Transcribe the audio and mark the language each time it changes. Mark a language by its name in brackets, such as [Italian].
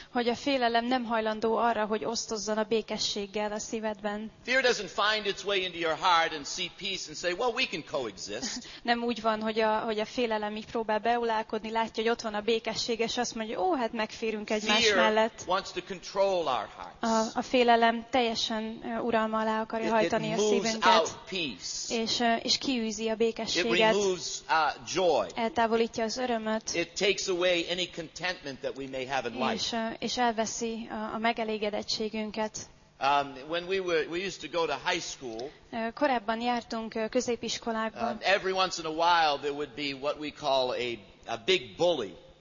[Hungarian] Hogy a félelem nem hajlandó arra, hogy osztozzon a békességgel a szívedben. [English] Fear doesn't find its way into your heart and see peace and say, well, we can coexist. [Hungarian] Nem úgy van, hogy a félelem így próbál beulálkodni, látja, hogy ott van a békesség, és azt mondja, hát megférünk egymás mellett. [English] Fear wants to control our hearts. [Hungarian] A félelem teljesen uralma alá akarja hajtani. [English] It moves out peace. [Hungarian] És kiűzi a békességet. [English] It removes joy. [Hungarian] Eltávolítja az örömöt. [English] It takes away any contentment that we may have in life. [Hungarian] És elveszi a megelégedettségünket. [English] When we used to go to high school. [Hungarian] Korábban jártunk középiskolákban. [English] Every once in a while there would be what we call a big bully.